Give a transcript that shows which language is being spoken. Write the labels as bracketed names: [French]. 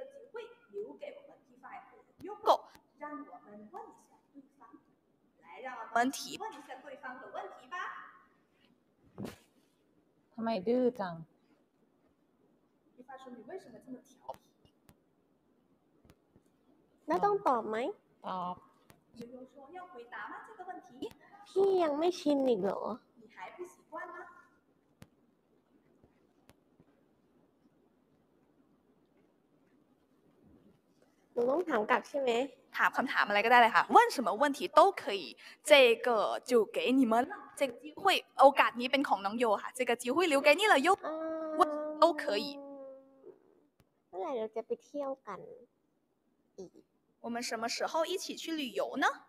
[Chinese] 会留给我们 T5 和 Yoko， 让我们问一下对方，来让我们问一下对方的问题吧。他没得讲。 T5 说：“你为什么这么调皮？” 那当答没？答。悠悠说：“要回答吗？这个问题？” 屁，还没亲你咯。你还不习惯吗？ [Thai] หนูต้องถามกลับใช่ไหม ถามคำถามอะไรก็ได้เลยค่ะ [Chinese] 问什么问题都可以这个就给你们这个机会 [Thai] โอกาสนี้เป็นของน้องโยค่ะ [Chinese] 这个机会留给你了哟问都可以 [Thai] เมื่อไหร่เราจะไปเที่ยวกันอีก [Chinese] 我们什么时候一起去旅游呢